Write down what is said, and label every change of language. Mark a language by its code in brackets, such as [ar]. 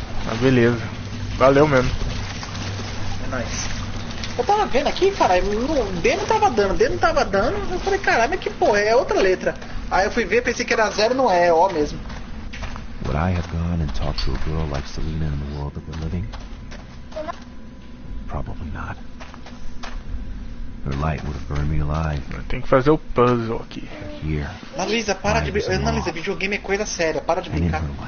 [pt] Ah, beleza. Valeu mesmo. É nóis. Eu tava vendo aqui, cara, D não tava dando, eu falei, caralho, mas que porra, é outra letra. Aí eu fui ver, pensei que era zero, não é, é O mesmo. [en] Would I have gone and talked to a girl like Selena in the world that we're living? Probably not. Her light would have burned me alive. [pt] Tem que fazer o puzzle aqui. Analisa, para de brincar. Analisa, videogame é coisa séria, para de brincar.